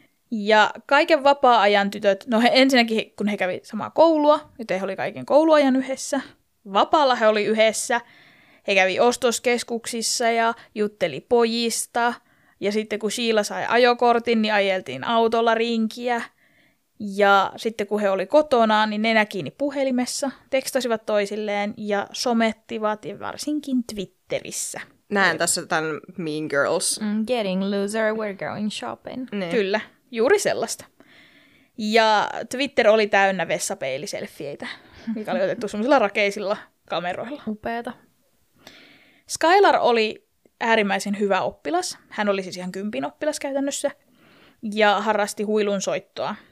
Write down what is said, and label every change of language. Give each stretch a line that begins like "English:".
Finnish: Ja kaiken vapaa-ajan tytöt, no he, ensinnäkin kun he kävi samaa koulua, joten he oli kaiken kouluajan yhdessä, vapaalla he oli yhdessä, he kävi ostoskeskuksissa ja jutteli pojista, ja sitten kun Sheila sai ajokortin, niin ajeltiin autolla rinkiä. Ja sitten kun he oli kotona, niin ne näki puhelimessa, tekstasivat toisilleen ja somettivat, ja varsinkin Twitterissä. Näen tässä tämän Mean Girls.
English: Getting loser, we're going shopping.
Finnish: Ne. Kyllä, juuri sellaista. Ja Twitter oli täynnä vessapeiliselfieitä, mikä oli otettu semmoisilla rakeisilla kameroilla. Upeeta. Skylar oli äärimmäisen hyvä oppilas. Hän oli siis ihan kympin oppilas käytännössä ja harrasti huilun soittoa.